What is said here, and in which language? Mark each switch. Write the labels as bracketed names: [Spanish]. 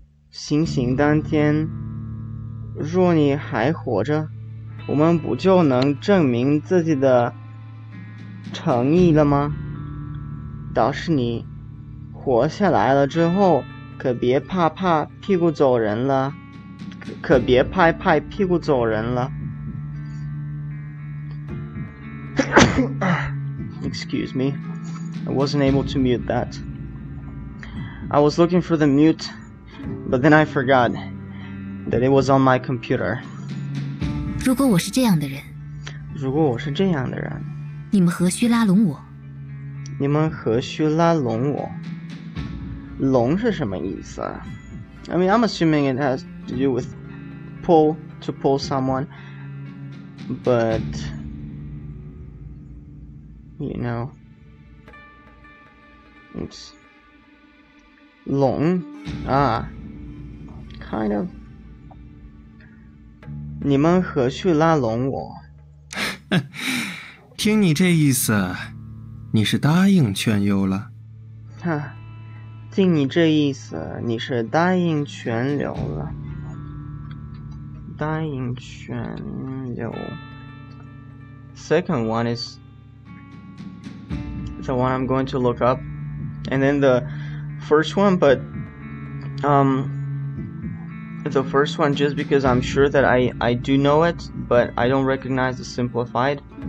[Chinese] 行刑当天若你还活着，我们不就能证明自己的诚意了吗？倒是你活下来了之后，可别拍拍屁股走人了，可别拍拍屁股走人了。 [English] Excuse me, I wasn't able to mute that. I was looking for the mute, but then I forgot that it was on my computer. [Chinese] 如果我是这样的人，如果我是这样的人，你们何须拉拢我？你们何须拉拢我？拢是什么意思？ [English] I mean, I'm assuming it has to do with pull, to pull someone. But, you know, oops. 拢, kind of. [Chinese] 你们何须拉拢我？听你这意思，你是答应劝诱了。哈。听你这意思，你是答应全留了。答应全留。 [English] Second one is the one I'm going to look up, and then the first one. But the first one, just because I'm sure that I do know it, but I don't recognize the simplified.